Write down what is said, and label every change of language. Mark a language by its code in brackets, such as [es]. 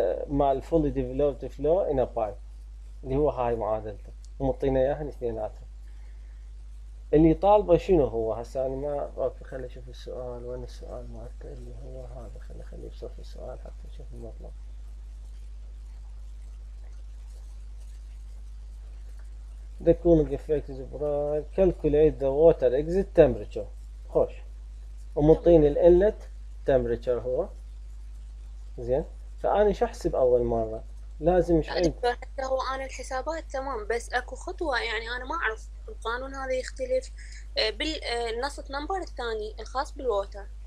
[ar] مع الفولي ديفلوبت فلو ان بايب اللي هو هاي معادلته ومطينا اياها الاثنيناتهم اللي طالبه شنو هو هسه انا ما خلي اشوف السؤال وين السؤال مالته اللي هو هذا خلي بصف السؤال حتى اشوف المطلب [en] The cooling effect is applied. Calculate the water exit temperature. [ar] خوش. ومطين الانلت temperature هو. زين. فأنا شو أحسب أول مرة؟ لازم شو عندي؟ هو أنا الحسابات تمام بس اكو خطوة يعني أنا ما أعرف القانون هذا يختلف بالنسط نمبر الثاني الخاص بالووتر.